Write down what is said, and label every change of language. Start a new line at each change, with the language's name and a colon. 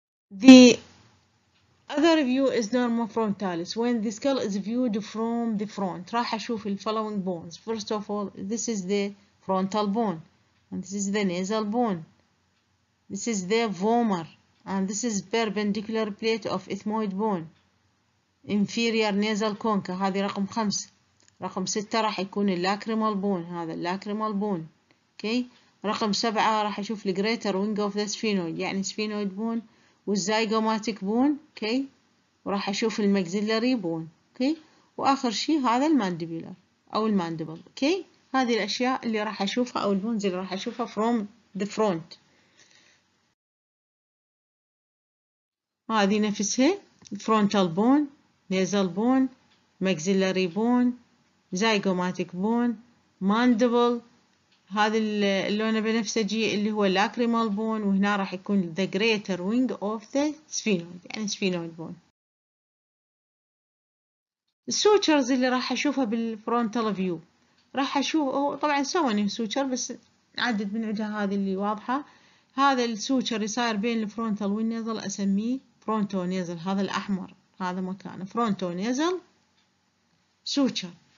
English: Other view is normofrontalis when the skull is viewed from the front.
Arabic: راح أشوف
English: the following bones. First of all, this is the frontal bone, and this is the nasal bone. This is the vomer, and this is perpendicular plate of ethmoid bone. Inferior nasal concha.
Arabic: هذه رقم خمسة. رقم ستة راح يكون lacrimal bone.
English: هذا lacrimal bone. Okay.
Arabic: رقم سبعة راح أشوف
English: the greater wing of the sphenoid. يعني sphenoid bone.
Arabic: والزايجوماتيك بون، اوكي، وراح اشوف المكزيلاري بون، اوكي، واخر شيء هذا الماندبيلر او الماندبل، اوكي. هذه الاشياء اللي راح اشوفها او البونز اللي راح اشوفها
English: from the front.
Arabic: هذه نفسها
English: frontal bone, nasal bone, maxillary bone, zygomatic bone, mandible.
Arabic: هذا اللون البنفسجي اللي هو lacrimal bone، وهنا راح يكون
English: the greater wing of the sphenoid،
Arabic: يعني sphenoid bone. السوتشرز اللي راح أشوفها بالfrontal view راح أشوف، طبعا سواني سوتشر بس عدد من عدها هذه اللي واضحة. هذا السوتشر يصير بين الفرونتال والنيزل أسميه frontonasal. هذا الأحمر هذا مكانه frontonasal سوتشر.